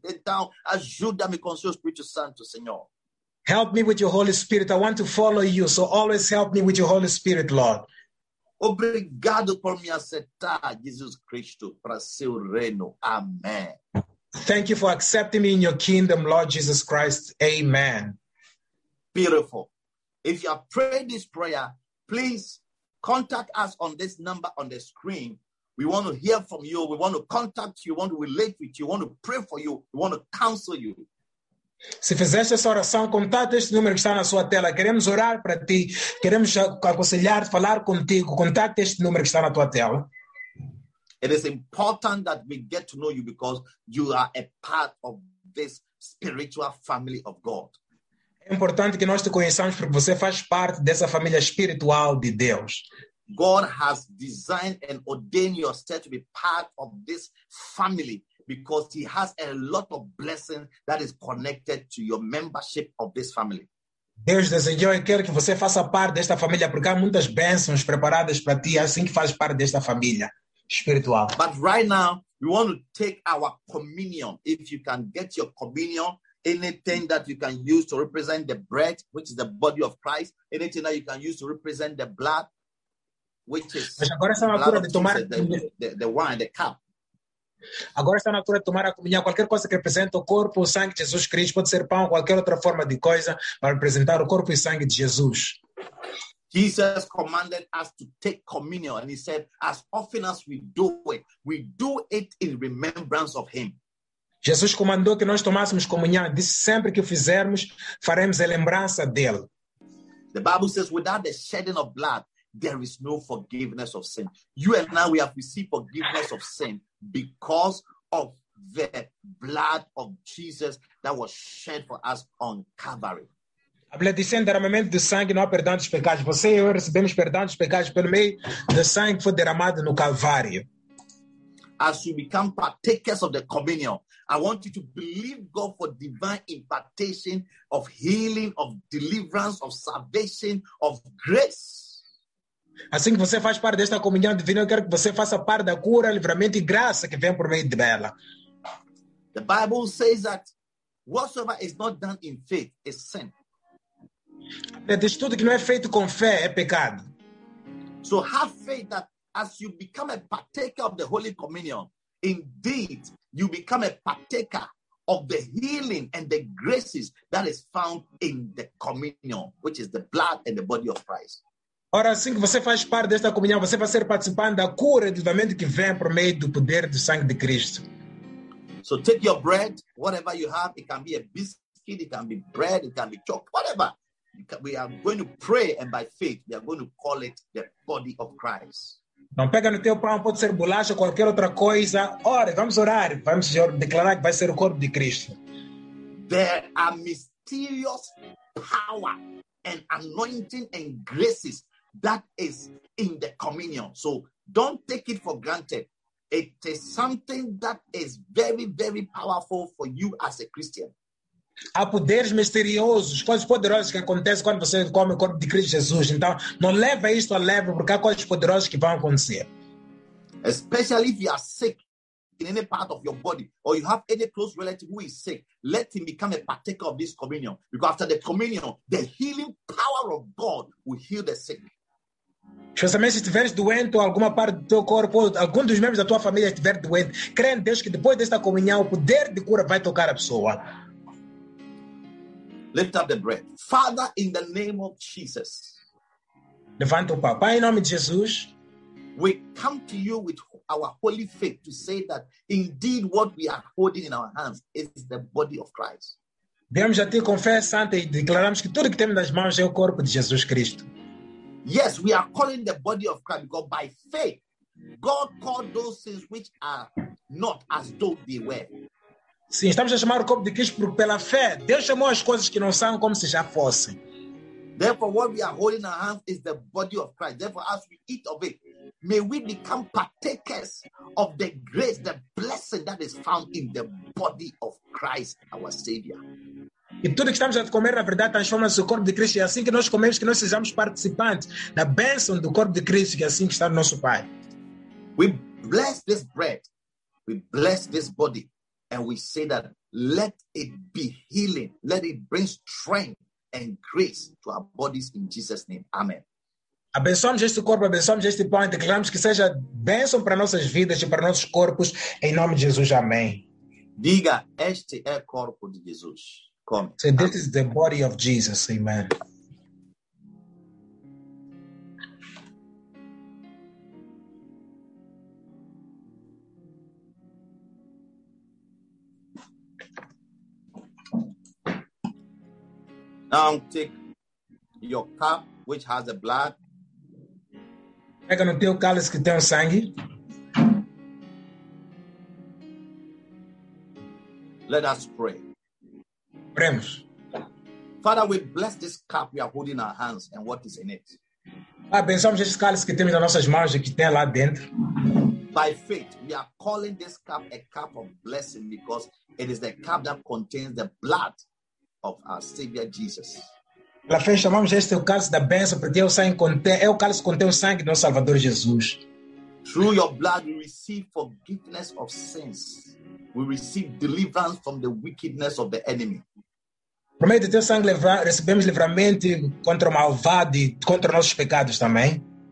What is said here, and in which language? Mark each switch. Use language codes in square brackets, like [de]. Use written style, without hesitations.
[pt] Então, ajuda-me com seu Espírito Santo, Senhor. [en] Help me with your Holy Spirit. I want to follow you. So always help me with your Holy Spirit, Lord. [pt] Obrigado por me aceitar, Jesus Cristo, para seu reino. [en] Amen. Thank you for accepting me in your kingdom, Lord Jesus Christ. Amen. Beautiful. If you are praying this prayer, please contact us on this number on the screen. We want to hear from you. We want to contact you. We want to relate with you. We want to pray for you. We want to counsel you. [pt] Se fizeste essa oração, contate este número que está na sua tela. Queremos orar para ti. Queremos aconselhar, falar contigo. Contate este número que está na tua tela. [en] It is important that we get to know you because you are a part of this spiritual family of God. [pt] É importante que nós te conheçamos porque você faz parte dessa família espiritual de Deus. [en] God has designed and ordained your step to be part of this family because he has a lot of blessings that is connected to your membership of this family. [pt] Deus desejou e quer que você faça parte desta família porque há muitas bênçãos preparadas para ti assim que faz parte desta família espiritual. [en] But right now, we want to take our communion. If you can get your communion, anything that you can use to represent the bread, which is the body of Christ, anything that you can use to represent the blood, which is the wine, the cup. [pt] Agora está na altura de tomar a comunhão. Qualquer coisa que representa o corpo e o sangue de Jesus Cristo, pode ser pão, qualquer outra forma de coisa, para representar o corpo e sangue de Jesus. [en] Jesus commanded us to take communion, and he said, as often as we do it in remembrance of him. [pt] Jesus comandou que nós tomássemos comunhão. Disse, sempre que o fizermos, faremos a lembrança dele. [en] The Bible says, without the shedding of blood, there is no forgiveness of sin. You and I, we have received forgiveness of sin because of the blood of Jesus that was shed for us on Calvary. [pt] A Bíblia diz em derramamento de sangue não há perdão dos pecados. Você e eu recebemos perdão dos pecados pelo meio do sangue que foi derramado no Calvário. [en] As you become partakers of the communion, I want you to believe God for divine impartation of healing, of deliverance, of salvation, of grace. [pt] Assim que você faz parte desta comunhão divina, eu quero que você faça parte da cura, livramento e graça que vem por meio dela. [en] The Bible says that whatsoever is not done in faith is sin. [pt] Diz tudo que não é feito com fé é pecado. [en] So have faith that as you become a partaker of the Holy Communion, indeed you become a partaker of the healing and the graces that is found in the communion, which is the blood and the body of Christ. [pt] Ora, assim que você faz parte desta comunhão, você vai ser participante da cura e do livramento que vem por meio do poder do sangue de Cristo. [en] So take your bread, whatever you have. It can be a biscuit, it can be bread, it can be chocolate, whatever. We are going to pray, and by faith, we are going to call it the body of Christ. [pt] Não pega no teu pão, pode ser bolacha, qualquer outra coisa. Ora, vamos orar, vamos declarar que vai ser o corpo de Cristo. [en] There are mysterious power and anointing and graces that is in the communion. So don't take it for granted. It is something that is very, very powerful for you as a Christian. [pt] Há poderes misteriosos, coisas poderosas que acontecem quando você come o corpo de Cristo Jesus. Então, não leva isto a leve, porque há coisas poderosas que vão acontecer. [en] Especially if you are sick in any part of your body, or you have any close relative who is sick, let him become a partaker of this communion. Because after the communion, the healing power of God will heal the sick. [pt] Especialmente se estiveres doente ou alguma parte do teu corpo, ou algum dos membros da tua família estiver doente, crê em Deus que depois desta comunhão, o poder de cura vai tocar a pessoa. [en] Lift up the bread. Father, in the name of Jesus. [pt] Levanta o papo. Pai, em nome de Jesus. [en] We come to you with our holy faith to say that indeed what we are holding in our hands is the body of Christ. [pt] Viemos a ti com fé santa e declaramos que tudo que temos nas mãos é o corpo de Jesus Cristo. [en] Yes, we are calling the body of Christ because by faith, God called those things which are not as though they were. [pt] Sim, estamos a chamar o corpo de Cristo porque pela fé, Deus chamou as coisas que não são como se já fossem. [en] Therefore, what we are holding in our hands is the body of Christ. Therefore, as we eat of it, may we become partakers of the grace, the blessing that is found in the body of Christ, our Savior. [pt] E tudo que estamos a comer, na verdade, transforma-se o corpo de Cristo. E assim que nós comemos, que nós sejamos participantes da bênção do corpo de Cristo, que é assim que está o nosso Pai. [en] We bless this bread. We bless this body. And we say that let it be healing. Let it bring strength and grace to our bodies in Jesus' name. Amen. [pt] Abençoamos este corpo, abençoamos este pão, declaramos que seja bênção para nossas vidas e para nossos corpos. Em nome de Jesus, amém. Diga, este é o corpo de Jesus. Come. [en] So this is the body of Jesus. Amen. Now take your cup which has the blood. [pt] Pega no teu cálice que tem o sangue. [en] Let us pray. [pt] Oremos. [en] Father, we bless this cup we are holding in our hands and what is in it. [pt] Abençoamos esse cálice que temos nas nossas mãos e que tem lá dentro. [en] By faith, we are calling this cup a cup of blessing because it is the cup that contains the blood of our Savior Jesus. [pt] Pela fé chamamos este o cálice da bênção, porque é o cálice que contém o sangue do nosso Salvador Jesus. [en] Through your blood we receive forgiveness of sins. We receive deliverance from the wickedness of the enemy. [pt] Por meio do teu sangue recebemos livramento contra o malvado e contra nossos pecados também.